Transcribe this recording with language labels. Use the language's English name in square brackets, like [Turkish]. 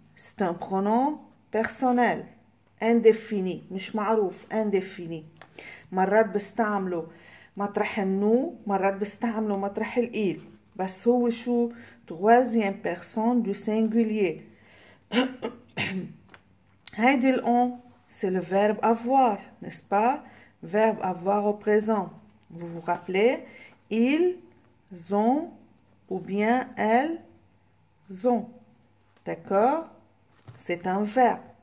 [French] C'est un pronom personnel, indéfini, [Arabic] مش معروف, [French] indéfini. [Arabic] مرات بستعمله مطرح النو, مرات بستعمله مطرح الإيل. بس هو شو [French] troisième personne du singulier. [Arabic] هيدي [French] le on, c'est le verbe avoir, n'est-ce pas? Verbe avoir au présent. Vous vous rappelez? Ils ont ou bien elles. Ont. D'accord? C'est un verbe.